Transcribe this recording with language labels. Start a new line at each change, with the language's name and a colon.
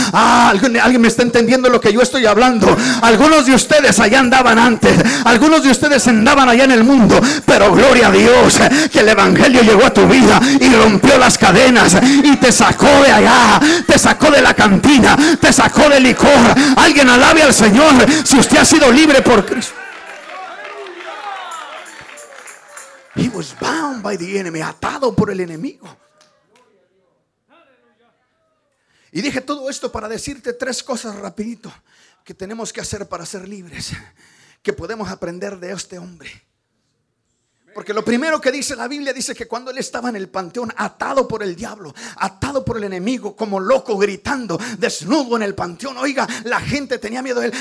Spanish: Alguien me está entendiendo lo que yo estoy hablando. Algunos de ustedes allá andaban antes, algunos de ustedes andaban allá en el mundo, pero gloria a Dios que el evangelio llegó a tu vida y rompió las cadenas y te sacó de allá, te sacó de la cantina, te sacó del licor. Alguien alabe al Señor si usted ha sido libre por Cristo.
English: He was bound by the enemy,
Spanish: atado por el enemigo. Y dije todo esto para decirte tres cosas rapidito que tenemos que hacer para ser libres, que podemos aprender de este hombre. Porque lo primero que dice la Biblia, dice que cuando él estaba en el panteón, atado por el diablo, atado por el enemigo, como loco, gritando, desnudo en el panteón, oiga, la gente tenía miedo de él.